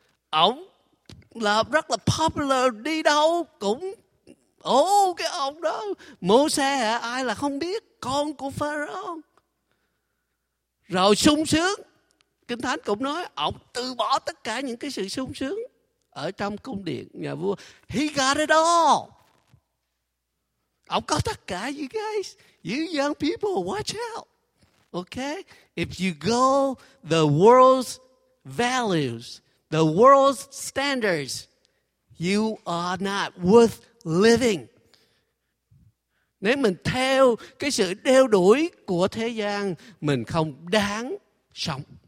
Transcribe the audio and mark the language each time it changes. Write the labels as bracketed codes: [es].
[vi] Ổng là rất là popular, đi đâu cũng cái ông đó, Môsê hả? Ai là không biết, con của Pharaoh. Rồi sung sướng, Kinh Thánh cũng nói, ông từ bỏ tất cả những cái sự sung sướng ở trong cung điện nhà vua. [en] He got it all. [vi] Ông có tất cả, [en] you guys, you young people, watch out. Okay, if you go the world's values, the world's standards, you are not worth living. [vi] Nếu mình theo cái sự đeo đuổi của thế gian, mình không đáng sống.